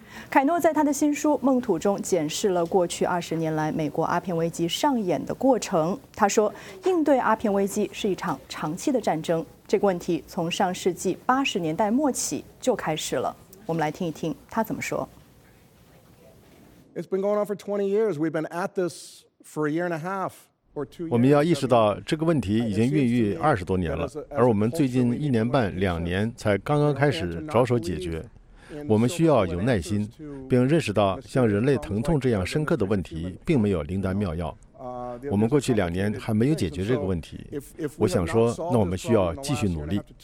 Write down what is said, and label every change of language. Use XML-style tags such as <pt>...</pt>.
<zh>凯诺在他的新书《梦土》中检视了过去20年来美国阿片危机上演的过程。他说，应对阿片危机是一场长期的战争，这个问题从上世纪80年代末起就开始了。我们来听一听他怎么说。</zh> <en>It's been going on for 20 years. We've been at this for a year and a half.</en> <zh>我们要意识到这个问题已经孕育20多年了，而我们最近1年半、2年才刚刚开始着手解决。我们需要有耐心，并认识到像人类疼痛这样深刻的问题并没有灵丹妙药。我们过去2年还没有解决这个问题，我想说，那我们需要继续努力。</zh>